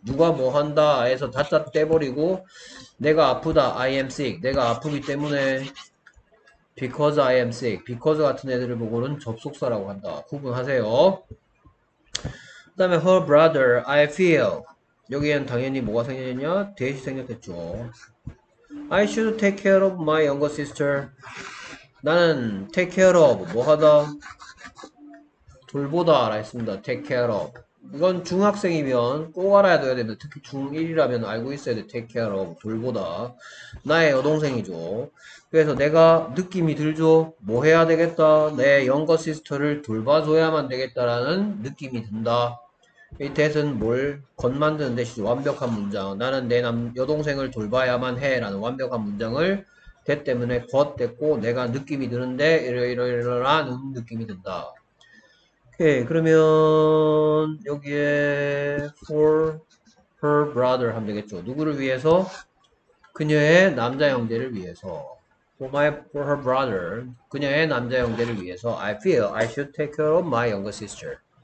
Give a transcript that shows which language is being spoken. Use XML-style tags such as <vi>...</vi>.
<ko>누가 뭐 한다 해서 다짜 떼버리고, 내가 아프다,</ko> <en>I am sick.</en> <ko>내가 아프기 때문에,</ko> <en>because I am sick.</en> <ko>because 같은 애들을 보고는 접속사라고 한다. 구분하세요. 그 다음에</ko> <en>her brother, I feel.</en> <ko>여기엔 당연히 뭐가 생겼냐? 대시 생겼겠죠.</ko> <en>I should take care of my younger sister.</en> <ko>나는 take care of, 뭐 하다? 돌보다 라 했습니다. take care of. 이건 중학생이면 꼭 알아야 돼야 됩니다. 특히 중1이라면 알고 있어야 돼. take care of, 돌보다. 나의 여동생이죠. 그래서 내가 느낌이 들죠? 뭐 해야 되겠다? 내 younger sister를 돌봐줘야만 되겠다라는 느낌이 든다. 이 뜻은 뭘 겉만드는 뜻이죠. 완벽한 문장. 나는 내 여동생을 돌봐야만 해라는 완벽한 문장을 대 때문에 겉 됐고, 내가 느낌이 드는데 이러이러이러라는 느낌이 든다. 오케이. 그러면 여기에</ko> <en>for her brother</en> <ko>하면 되겠죠. 누구를 위해서? 그녀의 남자 형제를 위해서.</ko> <en>For her brother.</en> <ko>그녀의 남자 형제를 위해서.</ko> <en>I feel I should take care of my younger sister.</en>